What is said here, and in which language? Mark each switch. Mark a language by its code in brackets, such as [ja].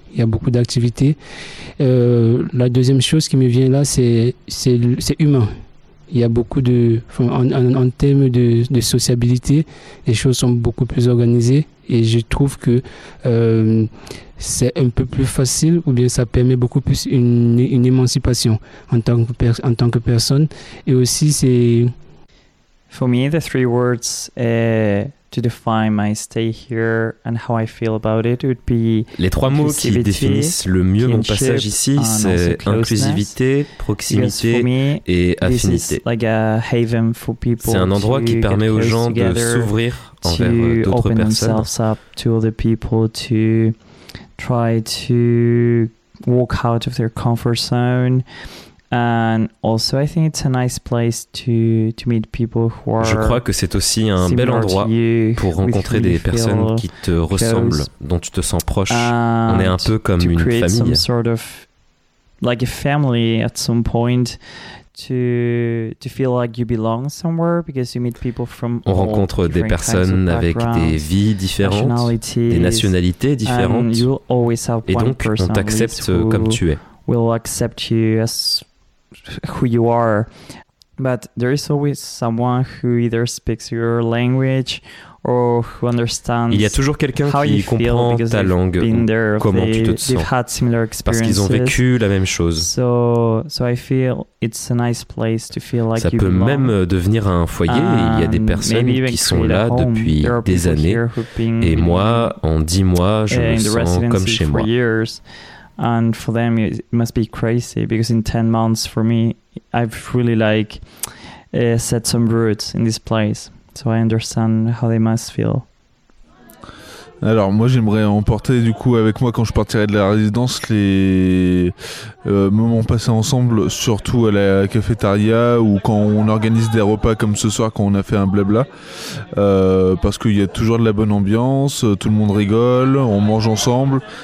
[fr] Il y a beaucoup d'activités. La deuxième chose qui me vient là, c'est humain. Il y a beaucoup de... En termes de sociabilité, les choses sont beaucoup plus organisées. Et je trouve que c'est un peu plus facile, ou bien ça permet beaucoup plus une émancipation en tant que personne. Et aussi, c'est... [en] For me, the three words to define my stay here and how I feel about it would be... [fr] Les trois mots qui définissent le mieux mon passage ici, c'est inclusivité, proximité et affinité. C'est un endroit qui permet aux gens de s'ouvrir envers d'autres personnes. [en] And also I think it's a nice place to meet people who are... [fr] Je crois que c'est aussi un bel endroit pour rencontrer des personnes qui te ressemblent, dont tu te sens proche. On est un peu comme une famille. [en] Some sort of like a family at some point. To feel like you belong somewhere because you meet people from [fr] on rencontre des personnes avec des vies différentes, des nationalités différentes, [en] and you'll always have [fr] et donc on t'accepte comme tu es. [en] Will accept you as who you are, but there is always someone who either speaks your language or who understands. [fr] Il y a toujours quelqu'un qui comprend ta langue, comment tu te sens, parce qu'ils ont vécu la même chose. [en] So I feel it's a nice place to feel like [fr] ça peut même devenir un foyer. Il y a des personnes qui sont là depuis des années, et moi, en 10 mois, je me sens comme chez moi. [en] And for them, it must be crazy because in 10 months, for me, I've really set some roots in this place. So I understand how they must feel. [fr] Alors, moi, j'aimerais emporter du coup avec moi quand je partirai de la résidence les moments passés ensemble, surtout à la cafétéria ou quand on organise des repas comme ce soir quand on a fait un blabla. Parce qu'il y a toujours de la bonne ambiance, tout le monde rigole, on mange ensemble.